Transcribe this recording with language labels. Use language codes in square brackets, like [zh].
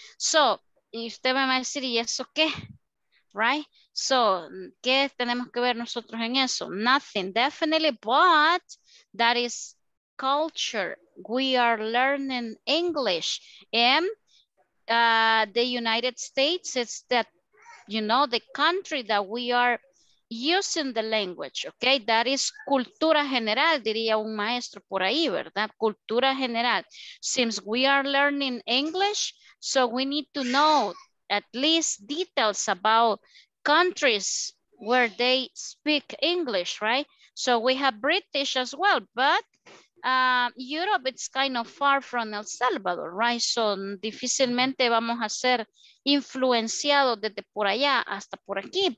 [es] So, usted me va a decir, ¿y eso qué? [en] Right? [es] So, ¿qué tenemos que ver nosotros en eso? [en] Nothing, definitely, but that is culture. We are learning English and the United States is that, you know, the country that we are using the language, okay? That is [es] cultura general, diría un maestro por ahí, ¿verdad? Cultura general. [en] Since we are learning English, so we need to know at least details about countries where they speak English, right? So we have British as well, but Europe, it's kind of far from El Salvador, right? [es] So, difícilmente vamos a ser influenciados desde por allá hasta por aquí.